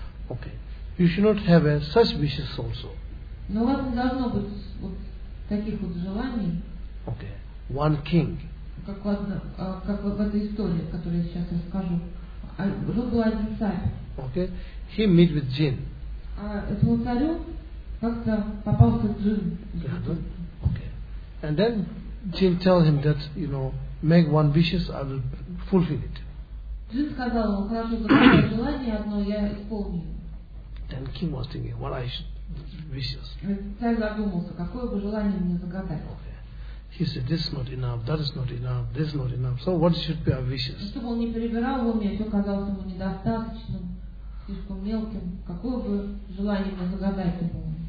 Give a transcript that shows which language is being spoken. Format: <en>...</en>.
<en>Okay. You should not have such wishes also.</en> <ru>Но у вас не должно быть вот таких вот желаний.</ru> <en>Okay. One king.</en> <ru>Как в этой истории, которую я сейчас расскажу. Жил был один царь.</ru> <en>Okay. He meet with jinn.</en> <ru>А этому царю как-то попался джинн.</ru> <en>Okay. And then jinn tell him that, you know, make one wishes, I will fulfill it.</en> <ru>Джинн сказал ему, хорошо, какое желание одно, я исполню.</ru> <en>And king was thinking, what I should wishes.</en> <ru>Царь задумался, какое бы желание мне загадать.</ru> <en>Okay. He said, this is not enough, that is not enough, this is not enough. So what should be our wishes?</en> <ru>Чтобы он не перебирал в уме, все казалось ему недостаточным, слишком мелким. Какое бы желание мне загадать ему?</ru>